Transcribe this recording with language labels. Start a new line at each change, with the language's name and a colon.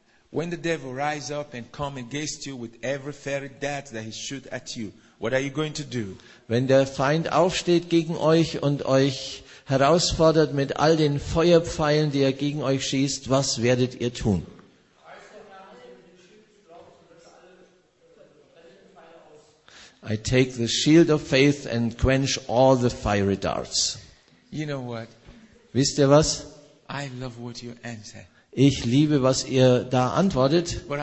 English: When the devil rises up and comes against you with every fiery dart that he shoots at you, what are you going to do?
German: Wenn der Feind aufsteht gegen euch und euch herausfordert mit all den Feuerpfeilen, die er gegen euch schießt, was werdet ihr tun?
English: I take the shield of faith and quench all the fiery darts. You know what?
German: Wisst ihr was?
English: I love what you answer.
German: Ich liebe, was ihr da antwortet.